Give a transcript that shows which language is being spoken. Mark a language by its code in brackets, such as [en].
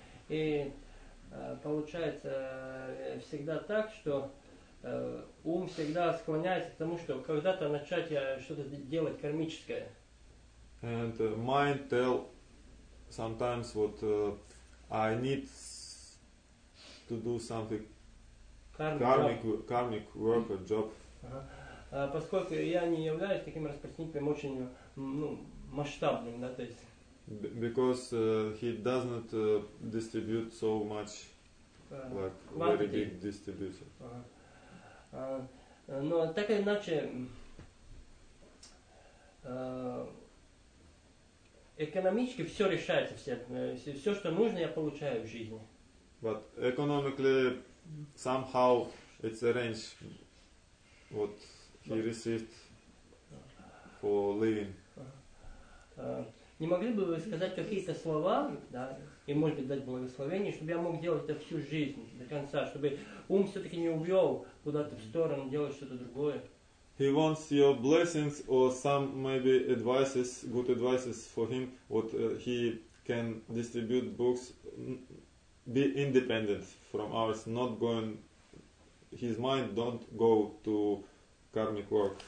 [ru] И получается всегда так, что ум всегда склоняется к тому, что когда-то начать я что-то делать кармическое. [en] And mind tell sometimes what I need to do something karmic work or job. [ru] Поскольку я не являюсь таким распространителем очень масштабным, да, то есть. [en] Because he does not distribute so much, very big distribution. [ru] Но так или иначе, экономически все решается, все, что нужно, я получаю в жизни. [en] But economically somehow it's arranged what he received for living. [ru] Не могли бы вы сказать какие-то слова, да, и может быть дать благословение, чтобы я мог делать это всю жизнь до конца, чтобы ум все-таки не увел куда-то в сторону, делать что-то другое. [en] He wants your blessings or some maybe advices, good advices for him, what he can distribute books, be independent from ours, not going, his mind don't go to karmic work.